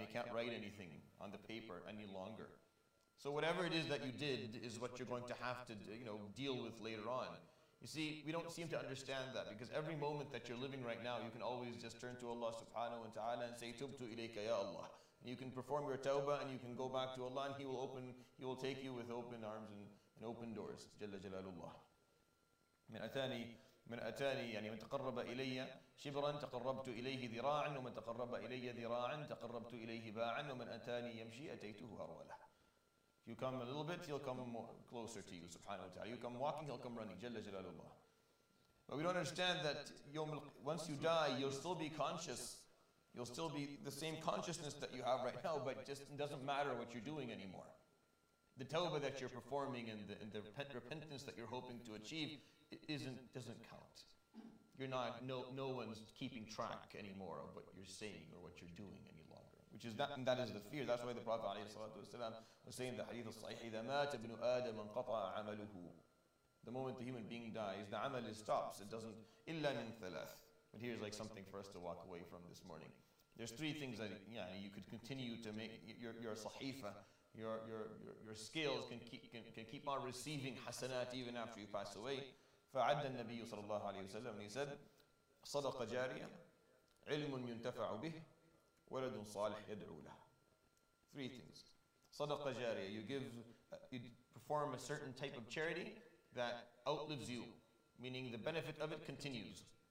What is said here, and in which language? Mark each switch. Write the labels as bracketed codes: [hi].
[en] You can't write anything on the paper any longer. So whatever it is that you did is what you're going to have to deal with later on. You see, we don't seem to understand that, because every moment that you're living right now, you can always just turn to Allah subhanahu wa ta'ala and say, [ar] Tubtu ilayka ya Allah. [en] And you can perform your tawbah and you can go back to Allah and He will take you with open arms and open doors. [ar] Jalla jalalullah. من أتاني يعني من تقرب إلي شبرا تقربت إليه ذراعا ومن تقرب إلي ذراعا تقربت إليه باعا ومن أتاني يمشي أتيته أرولة. [en] If you come a little bit, he'll come more closer to you, subhanahu wa ta'ala. You come walking, he'll come running. [ar] Jalla jalalullah. [en] But we don't understand that once you die, you'll still be conscious. You'll still be the same consciousness that you have right now, but just it doesn't matter what you're doing anymore. The tawbah that you're performing and the repentance that you're hoping to achieve doesn't count. You're not, no one's keeping track anymore of what you're saying or what you're doing any longer. Which is that, and that is the fear. That's why the Prophet ﷺ was saying the hadith al-sahih, [ar] إِذَا مَاتَ ابْنُ آدَمَ انْقَطَعَ عَمَلُهُ. [en] The moment the human being dies, the amal stops. It doesn't, [ar] إِلَّا مِنْ ثَلَاثِ. [en] But here's like something for us to walk away from this morning. There's three things that you could continue to make, your sahifa, your scales can keep on receiving hasanat even after you pass away. [ar] فَعَدَّ النَّبِيُّ صَلَى اللَّهُ عَلَيْهِ وَسَلَّمْ [en] And he said, [ar] صَدَقَ جَارِيًا عِلْمٌ يُنْتَفَعُ بِهِ وَلَدٌ صَالِحٌ يَدْعُو لَهُ. [en] Three things. [ar] صَدَقَ جَارِيًا, [en] you perform a certain type of charity that outlives you, meaning the benefit of it continues.